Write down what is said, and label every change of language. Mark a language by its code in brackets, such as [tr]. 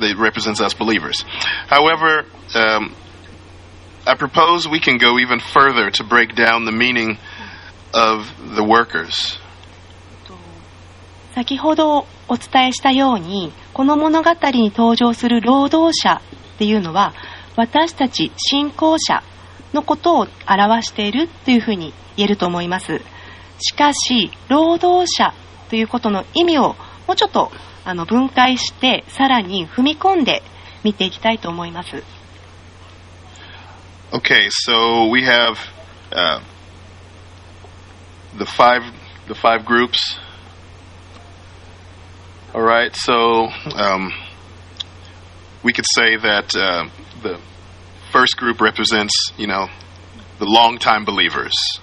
[en] They represent us believers. However, I propose we can go even further to break down the meaning of the workers. [ja] 先ほどお伝えしたように、この物語に登場する労働者っていうのは、私たち信仰者のことを表しているというふうに言えると思います。しかし、労働者ということの意味をもうちょっと分解してさらに踏み込んで見ていきたいと思います。 [en] Okay, so we have the five groups. All right, so we could say that the first group represents, you know, the long-time believers.